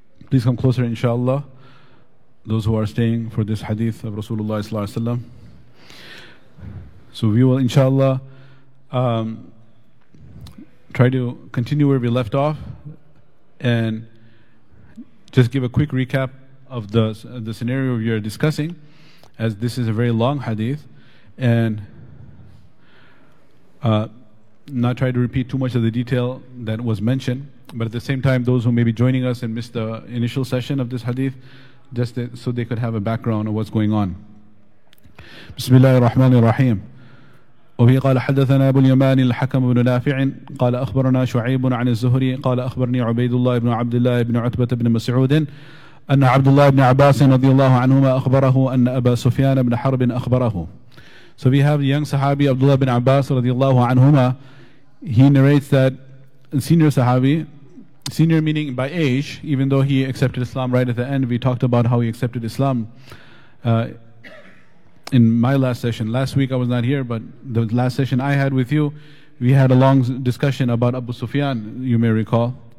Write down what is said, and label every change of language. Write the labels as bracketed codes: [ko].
[en] Please come closer inshallah those who are staying for this hadith of Rasulullah صلى الله عليه وسلم So we will inshallah try to continue where we left off and just give a quick recap of the scenario we are discussing as this is a very long hadith and not try to repeat too much of the detail that was mentioned, but at the same time, those who may be joining us and missed the initial session of this hadith, just so they could have a background of what's going on. [ar] بسم الله الرحمن الرحيم وفي قال حدثنا أبو اليمان الحكم بن نافع قال أخبرنا شعيب عن الزهري قال أخبرني عبيد الله بن عبد الله بن عتبة بن مسعود أن عبد الله بن عباس رضي الله عنهما أخبره أن أبا سفيان بن حرب أخبره [en] So we have the young Sahabi Abdullah bin Abbas radiallahu anhuma. He narrates that senior Sahabi, senior meaning by age, even though he accepted Islam right at the end, we talked about how he accepted Islam in my last session. Last week I was not here, but the last session I had with you, we had a long discussion about Abu Sufyan, you may recall.